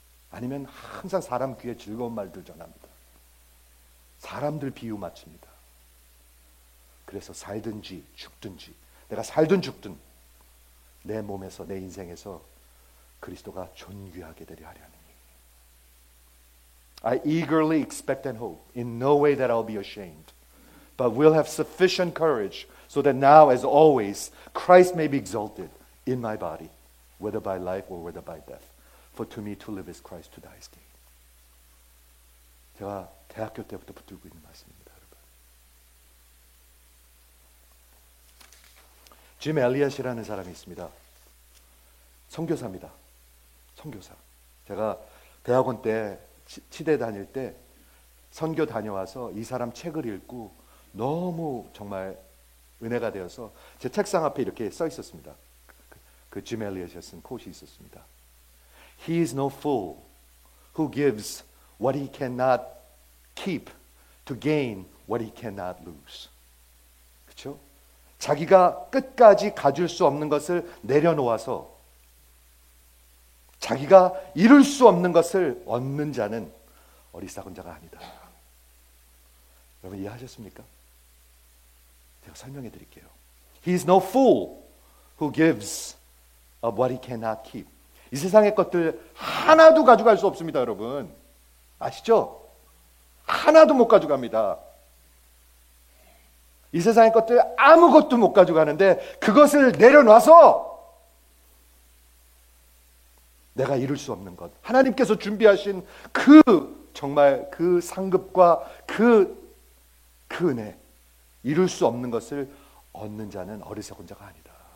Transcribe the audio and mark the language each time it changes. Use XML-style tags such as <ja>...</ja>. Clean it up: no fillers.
<ko>아니면 항상 사람 귀에 즐거운 말들 전합니다. 사람들 비유 맞춥니다. 그래서 살든지 죽든지, 내가 살든 죽든 내 몸에서 내 인생에서 그리스도가 존귀하게 되려 하려는 얘기.</ko> <en>I eagerly expect and hope in no way that I'll be ashamed, but will have sufficient courage so that now as always Christ may be exalted in my body, whether by life or whether by death. For to me to live is Christ, to die is gain.</en> <ko>제가 대학교 때부터 붙들고 있는 말씀입니다, 여러분. 짐 엘리엇이라는 사람이 있습니다. 선교사입니다. 선교사. 제가 대학원 때 치대 다닐 때 선교 다녀와서 이 사람 책을 읽고 너무 정말 은혜가 되어서 제 책상 앞에 이렇게 써 있었습니다. 그 짐 엘리엇이 쓴 코트이 있었습니다.</ko> <en>He is no fool who gives what he cannot keep to gain what he cannot lose.</en> <ko>그렇죠? 자기가 끝까지 가질 수 없는 것을 내려놓아서 자기가 이룰 수 없는 것을 얻는 자는 어리석은 자가 아니다. 여러분 이해하셨습니까? 제가 설명해 드릴게요.</ko> <en>He is no fool who gives up what he cannot keep.</en> <ko>이 세상의 것들 하나도 가져갈 수 없습니다, 여러분. 아시죠? 하나도 못 가져갑니다. 이 세상의 것들 아무것도 못 가져가는데 그것을 내려놔서 내가 이룰 수 없는 것, 하나님께서 준비하신 그 정말 그 상급과 그 은혜, 이룰 수 없는 것을 얻는 자는 어리석은 자가 아니다.</ko>